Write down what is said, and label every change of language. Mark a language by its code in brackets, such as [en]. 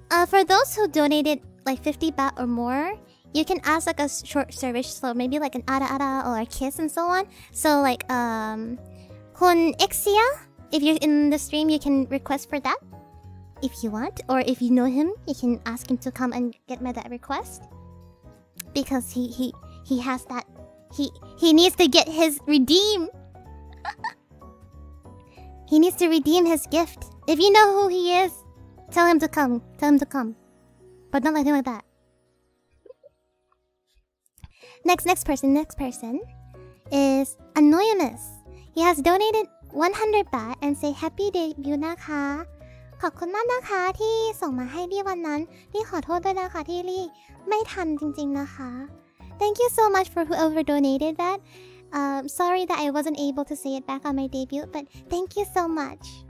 [en] for those who donated like 50 baht or more you can ask like a short service so maybe like an ara ara or a kiss and so on so like kun exia if you're in the stream you can request for thatIf you want, or if you know him, you can ask him to come and get me that request. Because he has that... He needs to get his redeem! He needs to redeem his gift. If you know who he is, tell him to come. But not like him like that. Next person is Anonymous. He has donated 100 baht and say happy debut na ka. [th] ขอบคุณมากนะคะที่ส่งมาให้ลี่วันนั้นลี่ขอโทษด้วยนะคะที่ลี่ไม่ทันจริงๆนะคะ [en] Thank you so much for whoever donated that sorry that I wasn't able to say it back on my debut but thank you so much